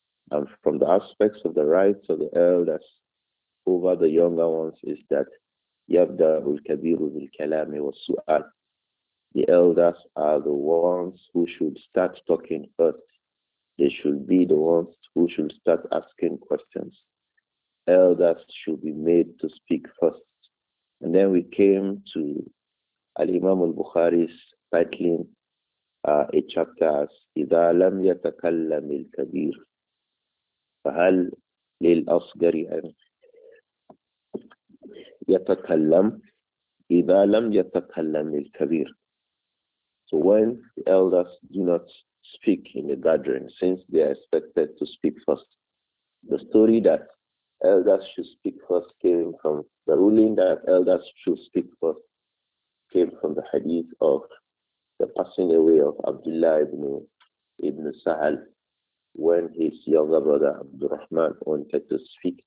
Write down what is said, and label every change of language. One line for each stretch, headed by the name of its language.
English: And from the aspects of the rights of the elders over the younger ones is that
Arabic: يَبْدَعُ الْكَبِيرُ بِالْكَلَامِ وَالسُّؤَالِ.
English: The elders are the ones who should start talking first. They should be the ones who should start asking questions. Elders should be made to speak first. And then we came to Al-Imam al-Bukhari's titling a chapter as
Arabic: إِذَا لَمْ يَتَكَلَّمِ الْكَبِيرُ فَهَلْ لِلْأَصْغَرِ أَنْفِ يَتَكَلَّمْ إِذَا لَمْ يَتَكَلَّمِ الْكَبِيرُ.
English: So when the elders do not speak in the gathering, since they are expected to speak first, the story that elders should speak first came from the ruling that elders should speak first came from the hadith of the passing away of Abdullah ibn Sahal, when his younger brother Abdurrahman wanted to speak.